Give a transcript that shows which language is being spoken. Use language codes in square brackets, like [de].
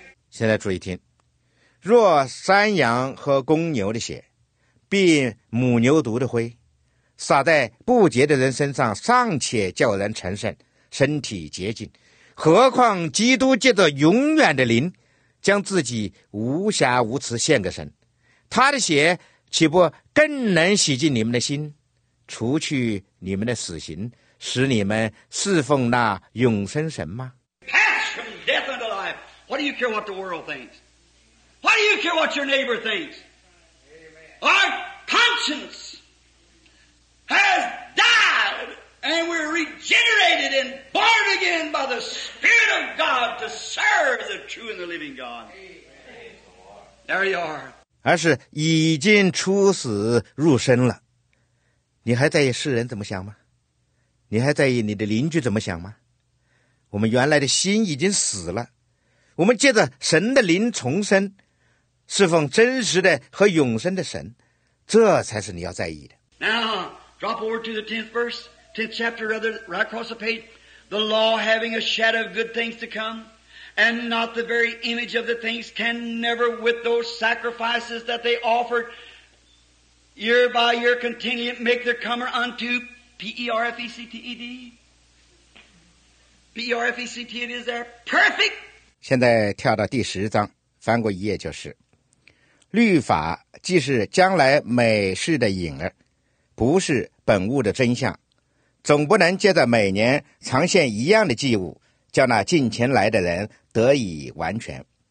[zh] 现在注意听，若山羊和公牛的血，并母牛犊的灰撒在不洁的人身上，尚且叫人成圣，身体洁净，何况基督借着永远的灵，将自己无瑕无疵献给神，他的血岂不更能洗净你们的心，除去你们的死刑，使你们侍奉那永生神吗？ [en] Pass from death unto life. What do you care what the world thinks? What do you care what your neighbor thinks? Our conscience. Has died, and we're regenerated and born again by the Spirit of God to serve the true and the living God. There you are. [zh] 而是已经出死入生了，你还在意世人怎么想吗？你还在意你的邻居怎么想吗？我们原来的心已经死了，我们借着神的灵重生，侍奉真实的和永生的神，这才是你要在意的。 [en] Now. Drop over to the 10th verse, 10th chapter, rather, right across the page. The law having a shadow of good things to come, and not the very image of the things, can never with those sacrifices that they offered year by year continually make their comer unto perfected. Perfected is there. Perfect! [zh] 现在跳到第十章，翻过一页就是。律法既是将来美事的影儿，不是本物的真相，总不能借着每年常献一样的祭物，叫那近前来的人得以完全。